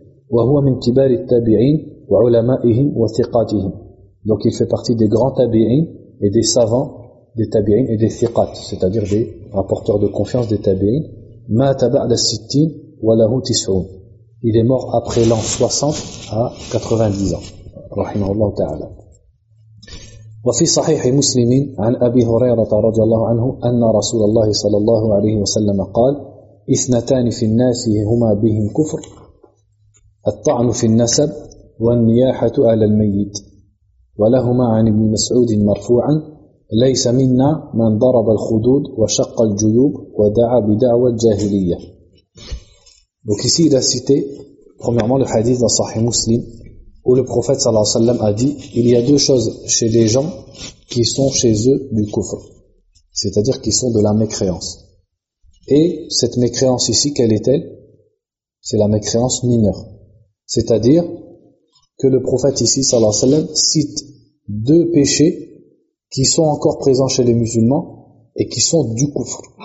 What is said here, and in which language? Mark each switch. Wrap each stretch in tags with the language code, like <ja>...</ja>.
<ar>وَهُوَ مِنْ كِبَارِ التَّابِعِينَ وَعُلَمَائِهِمْ وَثِقَاتِهِمْ.</ar> <fr>Donc il fait partie des grands tabi'in et des savants des tabi'in et des thiqat, c'est-à-dire des rapporteurs de confiance des tabi'in.</fr> <ar>مَا تَبَعْدَ السِّتِّينَ وَلَهُ تِسْعُونَ.</ar> <fr>Il est mort après l'an 60 à 90 ans.</fr> <ar>رَحِمَهُ اللَّهُ تَعَالَى. وَفِي صَحِيحِ مُسْلِمٍ عَنْ أَبِي هُرَيْرَةَ رَضِيَ اللَّهُ عَنْهُ أَنَّ رَسُولَ اللَّهِ صَلَى اللَّهُ عَلَيْهِ وَسَلَّمَ قَالَ اثْنَتَانِ فِي النَّاسِ هُمَا بِهِمْ كُفْرٌ الطَّعْنُ فِي النَّسَبِ والنياحة على الميت ولهما عن ابن مسعود مرفوعا ليس منا من ضرب الخدود وشق الجيوب ودعا بدعوة جاهلية.</ar> <fr>Donc ici il a cité premièrement le hadith dans Sahih Muslim où le prophète sallallahu alayhi wa sallam a dit il y a deux choses chez les gens qui sont chez eux du kufr, c'est-à-dire qui sont de la mécréance. Et cette mécréance ici, quelle est-elle? C'est la mécréance mineure, c'est-à-dire que le prophète ici, sallallahu alayhi wa sallam, cite deux péchés qui sont encore présents chez les musulmans et qui sont du kufr.</fr>